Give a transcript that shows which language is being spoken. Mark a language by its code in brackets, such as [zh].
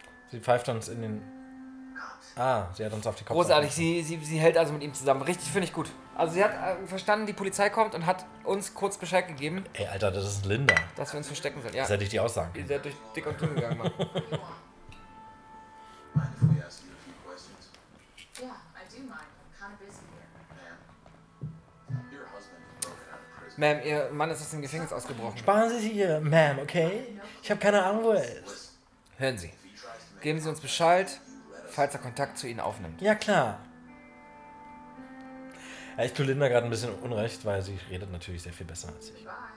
[de] Sie pfeift uns in den... Ah, sie hat uns auf die Kopf. Großartig, sie hält also mit ihm zusammen. Richtig, finde ich gut. Also sie hat verstanden, die Polizei kommt und hat uns kurz Bescheid gegeben. Ey, Alter, das ist Linda. Dass wir uns verstecken sollen, ja. Das hätte ich dir auch sagen können. Sie hat durch dick und dünn gegangen, Mann. [en] Mind if we ask you a few questions? Yeah, I do mind. I'm kind of busy here. Ma'am. [de] Ma'am, Ihr Mann ist aus dem Gefängnis ausgebrochen. Sparen Sie sich hier, Ma'am, okay? Ich habe keine Ahnung, wo er ist. Hören Sie, geben Sie uns Bescheid, falls er Kontakt zu Ihnen aufnimmt. Ja, klar. Ja, ich tue Linda gerade ein bisschen Unrecht, weil sie redet natürlich sehr viel besser als ich.